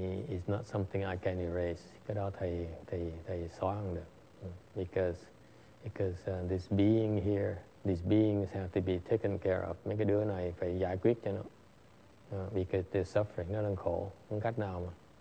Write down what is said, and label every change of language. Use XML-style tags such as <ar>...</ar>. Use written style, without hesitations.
<en>It's not something I can erase.</en> <vi>Cái đó thầy xóa không được.</vi> <en>Because this being here, these beings have to be taken care of.</en> <vi>Mấy cái đứa này phải giải quyết cho nó.</vi> <en>Because they're suffering,</en> <vi>nó đang khổ. Không cách nào mà.</vi>